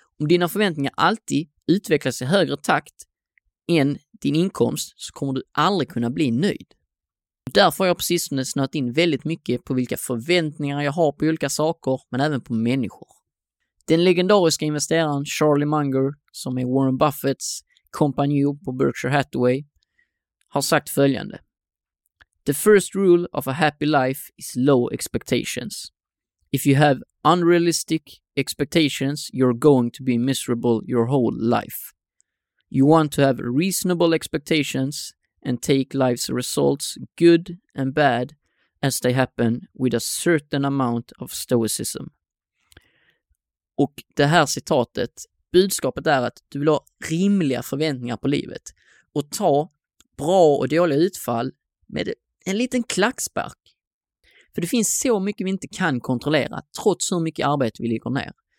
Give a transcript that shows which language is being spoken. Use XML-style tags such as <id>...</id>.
<sv>Om dina förväntningar alltid utvecklas i högre takt än din inkomst så kommer du aldrig kunna bli nöjd. Därför har jag precis snöat in väldigt mycket på vilka förväntningar jag har på olika saker men även på människor. Den legendariska investeraren Charlie Munger som är Warren Buffetts kompanjon på Berkshire Hathaway har sagt följande.</sv> <en>The first rule of a happy life is low expectations. If you have unrealistic expectations, you're going to be miserable your whole life. You want to have reasonable expectations and take life's results, good and bad, as they happen with a certain amount of stoicism.</en> <sv>Och det här citatet, budskapet är att du vill ha rimliga förväntningar på livet och ta bra och dåliga utfall med det. En liten klackspark. För det finns så mycket vi inte kan kontrollera trots hur mycket arbete vi lägger ner.</sv>